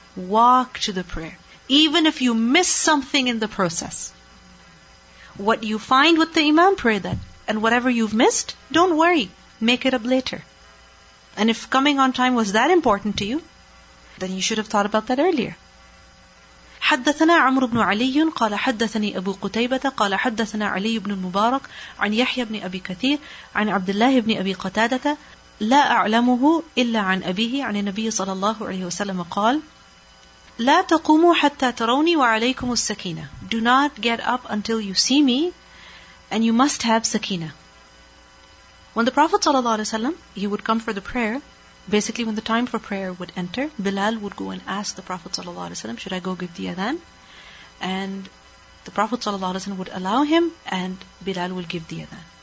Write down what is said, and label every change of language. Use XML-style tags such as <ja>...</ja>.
<en>Walk to the prayer. Even if you miss something in the process. What you find with the imam, pray that. And whatever you've missed, don't worry. Make it up later. And if coming on time was that important to you, then you should have thought about that earlier.</en> <ar>حدثنا عمرو بن علي قال حدثني أبو قتيبة قال حدثنا علي بن المبارك عن يحيى بن أبي كثير عن عبد الله بن أبي قتادة لا أعلمه إلا عن أبيه عن النبي صلى الله عليه وسلم قال لا تقوموا حتى تروني وعليكم السكينة.</ar> <en>Do not get up until you see me and you must have sakina. When the Prophet صلى الله عليه وسلم, he would come for the prayer, basically when the time for prayer would enter, Bilal would go and ask the Prophet صلى الله عليه وسلم, should I go give the adhan? And the Prophet صلى الله عليه وسلم would allow him and Bilal will give the adhan.</en>